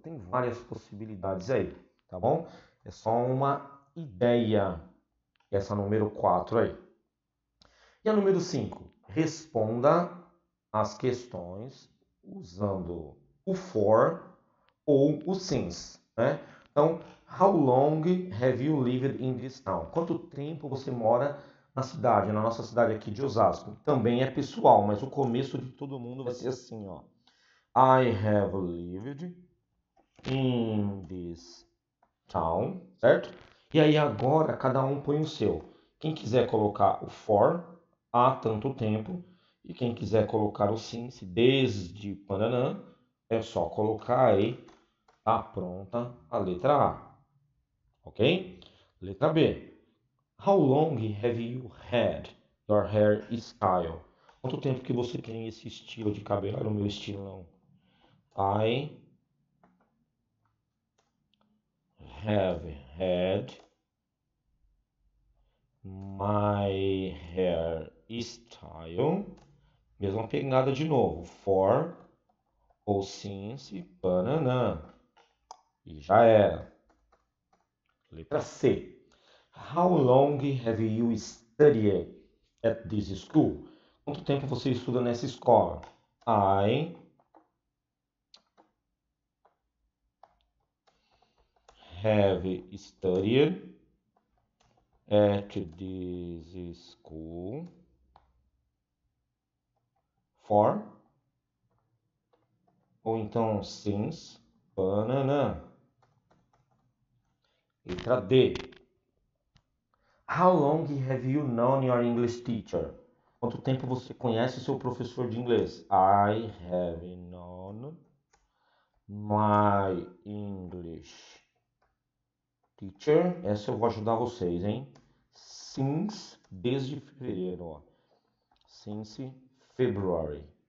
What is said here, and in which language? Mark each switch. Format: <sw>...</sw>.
<pt>Tem várias possibilidades aí, tá bom? É só uma ideia, essa número 4 aí. E a número 5? Responda às questões usando o for ou o since, né? Então,</pt> <en>how long have you lived in this town?</en> <pt>Quanto tempo você mora na cidade, na nossa cidade aqui de Osasco? Também é pessoal, mas o começo de todo mundo vai ser assim, ó.</pt> <en>I have lived in this town,</en> <pt>certo? E aí agora cada um põe o seu. Quem quiser colocar o for, há tanto tempo. E quem quiser colocar o sim, se desde pananã, é só colocar aí, tá pronta a letra A. Ok? Letra B.</pt> <en>How long have you had your hair style?</en> <pt>Quanto tempo que você tem esse estilo de cabelo? Era o meu estilão.</pt> <en>I have had my hair style.</en> <pt>Mesma pegada de novo. For ou since, bananã. E já era. Letra C.</pt> <en>How long have you studied at this school?</en> <pt>Quanto tempo você estuda nessa escola?</pt> <en>I have studied at this school for,</en> <pt>ou então since, banana. Letra D.</pt> <en>How long have you known your English teacher?</en> <pt>Quanto tempo você conhece seu professor de inglês?</pt> <en>I have known my English teacher.</en> <pt>Essa eu vou ajudar vocês, hein?</pt> <en>Since</en> <pt>desde fevereiro, ó.</pt> <en>Since February.</en>